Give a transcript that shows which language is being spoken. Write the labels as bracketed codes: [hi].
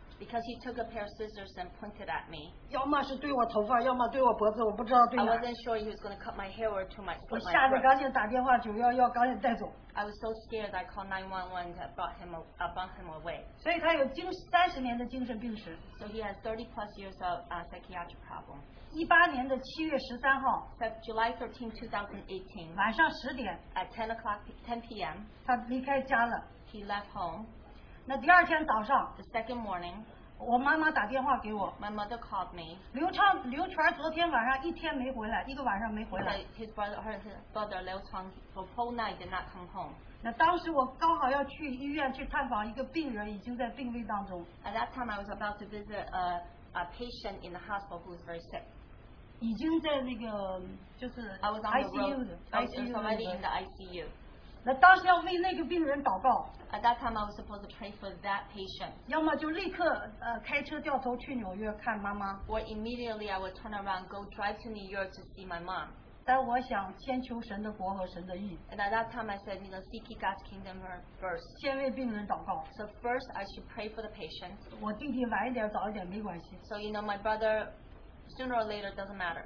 [en] because he took a pair of scissors and pointed at me. [zh] 要么是对我头发, 要么对我脖子, 我不知道对哪, [en] I wasn't sure he was going to cut my hair or to my throat. [zh] 我吓得赶紧打电话, 911, 赶紧带走。 [en] I was so scared I called 911 and brought him away. [zh] 所以他有30年的精神病史, [en] so he has 30 plus years of psychiatric problem. [zh] 18年的7月13号, [en] July 13, 2018, [zh] 晚上10点, [en] at 10 o'clock, 10 p.m., [zh] 他离开家了, [en] he left home. [zh] 那第二天早上, [en] the second morning, My mother called me. [zh] 刘传昨天晚上一天没回来，一个晚上没回来。 [en] His brother, her brother, Liu Chuan, for whole night did not come home. [zh] 那当时我刚好要去医院去探访一个病人，已经在病危当中。 [en] At that time, I was about to visit a patient in the hospital who was very sick. [zh] 已经在那个就是ICU的，ICU， [en] already in the ICU. [zh] 那当时要为那个病人祷告。 [en] At that time, I was supposed to pray for that patient. [zh] 要么就立刻开车掉头去纽约看妈妈。 [en] Or immediately, I would turn around, go drive to New York to see my mom. [zh] 但我想先求神的国和神的义。 [en] And at that time, I said, you know, seek God's kingdom first. [zh] 先为病人祷告。 [en] So first, I should pray for the patient. [zh] 我弟弟晚一点早一点没关系。 [en] So you know, my brother, sooner or later, doesn't matter.